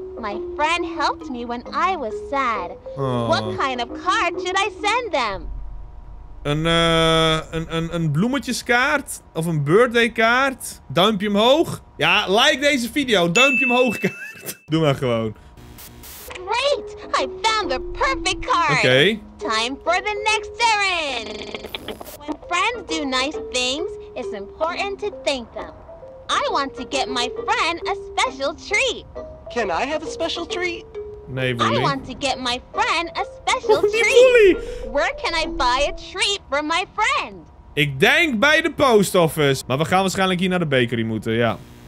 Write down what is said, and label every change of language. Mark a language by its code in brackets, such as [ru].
[en] My friend helped me when I was sad. Oh. What kind of card should I send them? [nl] Een bloemetjeskaart of een birthday kaart. Duimpje omhoog. Ja, like deze video. Duimpje omhoog kaart. Doe maar gewoon. [en] Great! I found the perfect card. Oké. Okay. Time for the next errand. When friends do nice things, it's important to thank them. I want to get my friend a special treat. Can I have a special treat? [nl] Nee, Wooly. [en] I want to get my friend a special treat. Wooly. Where can I buy a treat for my friend? [nl] Ik denk bij de post office. Maar we gaan waarschijnlijk hier naar de bakery moeten, ja.